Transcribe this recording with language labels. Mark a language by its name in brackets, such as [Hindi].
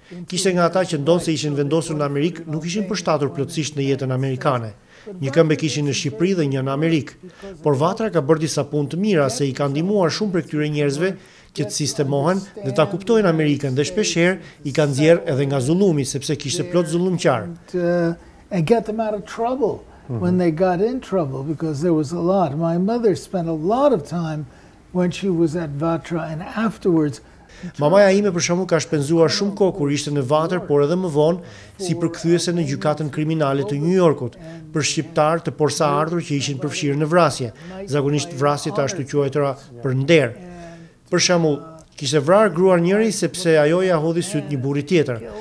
[Albanian] Kishte nga ata që ndonë se ishin vendosur në Amerikë, nuk ishin përshtatur plotësisht në jetën amerikane. Një këmbë kishin në Shqipëri dhe një në Amerikë, por Vatra ka bërë disa punë të mira se i ka ndihmuar shumë për këtyre njerëzve që të sistemohen dhe ta kuptojnë Amerikën dhe shpeshherë i ka nxjerr edhe nga zullumi sepse kishte plot zullumqar. [English] And get them out of trouble when they got in trouble because there was a lot. My mother spent a lot of time when she was at Vatra and afterwards. [Albanian] Mamaja ime për shkakun ka shpenzuar shumë kohë kur ishte në Vatër, por edhe më vonë si përkthyese në gjykatën kriminale të New Yorkut për shqiptar të porsa ardhur që ishin përfshirë në vrasje, zakonisht vrasje të ashtu quajtura për nder. Për shembull, kishte vrarë gruan njëri sepse ajo ja hodhi syt një burri tjetër.